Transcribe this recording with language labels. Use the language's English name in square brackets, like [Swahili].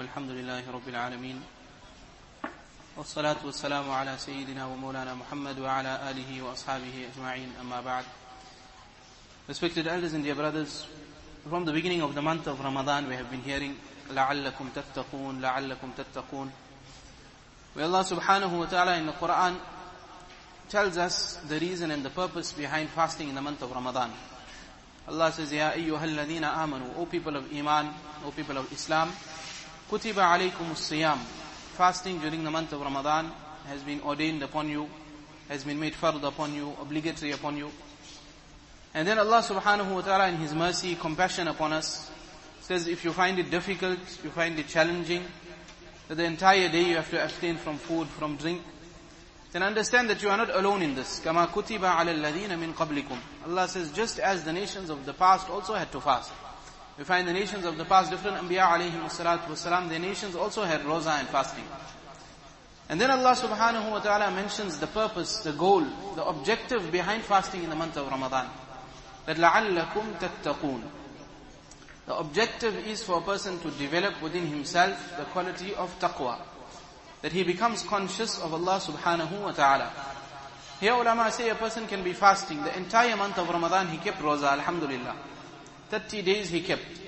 [Arabic] الحمد لله رب العالمين، والصلاة والسلام على سيدنا ومولانا محمد وعلى آله وأصحابه أجمعين، أما بعد. [English] Respected elders and dear brothers, from the beginning of the month of Ramadan we have been hearing [Arabic] لعلكم تتقون لعلكم تتقون. [English] May Allah subhanahu wa ta'ala in the Quran tells us the reason and the purpose behind fasting in the month of Ramadan. Allah says, [Arabic] يَا أَيُّهَا الَّذِينَ آمَنُوا. [English] O people of Iman, O people of Islam, [Arabic] كُتِبَ عَلَيْكُمُ الصِّيَامِ. [English] Fasting during the month of Ramadan has been ordained upon you, has been made fard upon you, obligatory upon you. And then Allah subhanahu wa ta'ala in His mercy, compassion upon us, says, if you find it difficult, you find it challenging, that the entire day you have to abstain from food, from drink, then understand that you are not alone in this. [Arabic] كَمَا كُتِبَ عَلَى الَّذِينَ مِنْ قَبْلِكُمْ. [English] Allah says, just as the nations of the past also had to fast. We find the nations of the past, different Anbiya alayhim as-salatu wasalam, their nations also had roza and fasting. And then Allah subhanahu wa ta'ala mentions the purpose, the goal, the objective behind fasting in the month of Ramadan. [Arabic] That لَعَلَّكُمْ تَتَّقُونَ. [English] The objective is for a person to develop within himself the quality of taqwa. That he becomes conscious of Allah subhanahu wa ta'ala. Here ulama say a person can be fasting. The entire month of Ramadan he kept roza, alhamdulillah. 30 days he kept.